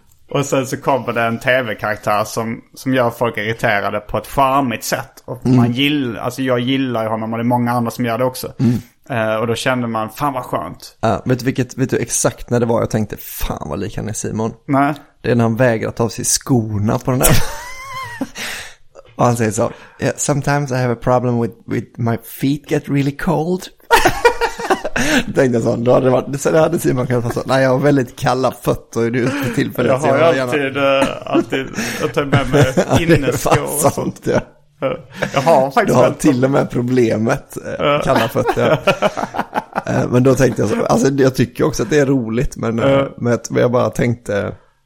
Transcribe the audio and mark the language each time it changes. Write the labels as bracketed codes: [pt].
[sv] Och sen så kommer det en tv-karaktär som gör folk irriterade på ett charmigt sätt. Och man gillar, alltså jag gillar ju honom och det är många andra som gör det också. Mm. Och då kände man, fan vad skönt. Vet du exakt när det var jag tänkte, fan vad lik han är Simon. Nej. Det är när han vägrar ta av sig skorna på den där... Och han säger så, [en] yeah, sometimes I have a problem with my feet get really cold. [sv] Då tänkte jag så, då hade det varit, så det hade Simon kanske sagt, nej jag har väldigt kalla fötter, är du ute till för det? Jag har alltid att ta med mig inneskor och sånt. Sant, ja. Jag har faktiskt du har till och med problemet, kalla fötter. Men då tänkte jag så, alltså jag tycker också att det är roligt, men jag bara tänkte...